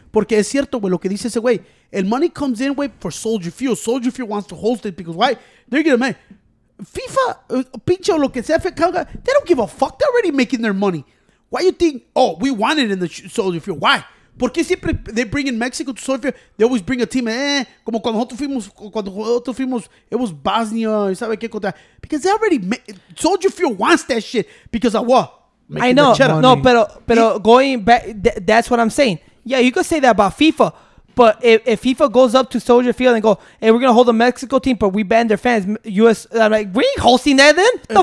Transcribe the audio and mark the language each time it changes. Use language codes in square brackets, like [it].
[es] Porque es cierto, güey, lo que dice ese güey. El [en] money comes in, [es] güey, [en] for Soldier Field. Soldier Field wants to host it because why? They're going to make FIFA, [es] pinche lo que sea, [en] FIFA, they don't give a fuck. They're already making their money. Why you think, oh, we want it in the Soldier Field? Why? [es] Porque siempre [en] they bring in Mexico to Soldier Field. They always bring a team. [es] Como cuando nosotros fuimos, [en] it was Bosnia, [es] ¿sabe qué contra? [en] Because they already, Soldier Field wants that shit because of what? I know, [es] no, pero [en] going back, that's what I'm saying. Yeah, you could say that about FIFA, but if FIFA goes up to Soldier Field and go, hey, we're going to hold a Mexico team, but we banned their fans, U.S., I'm like, we ain't hosting that then?